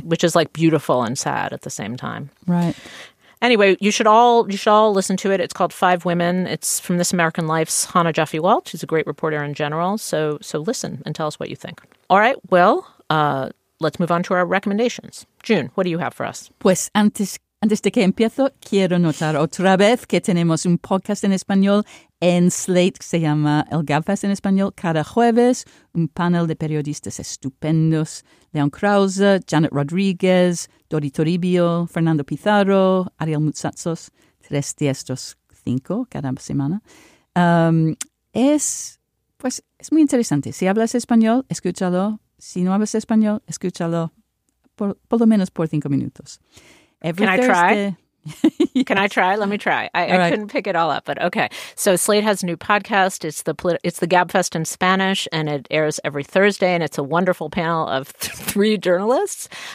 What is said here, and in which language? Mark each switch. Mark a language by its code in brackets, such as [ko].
[en] Which is like beautiful and sad at the same time. Right. Anyway, you should all listen to it. It's called Five Women. It's from This American Life's Hannah Jaffe Walt, who's a great reporter in general. So listen and tell us what you think. All right, well, let's move on to our recommendations. June, what do you have for us? [es] Pues antes de que empiezo, quiero notar otra vez que tenemos un podcast en español en Slate que se llama El Gabfest en Español. Cada jueves, un panel de periodistas estupendos. Leon Krause, Janet Rodriguez, Dori Toribio, Fernando Pizarro, Ariel Mutsatsos, tres de estos cinco cada semana. Es muy interesante. Si hablas español, escúchalo. Si no hablas español, escúchalo por lo menos por 5 minutos. [en] Can I try? Let me try. I couldn't pick it all up, but okay. So Slate has a new podcast. It's the Gabfest in Spanish, and it airs every Thursday, and it's a wonderful panel of three journalists.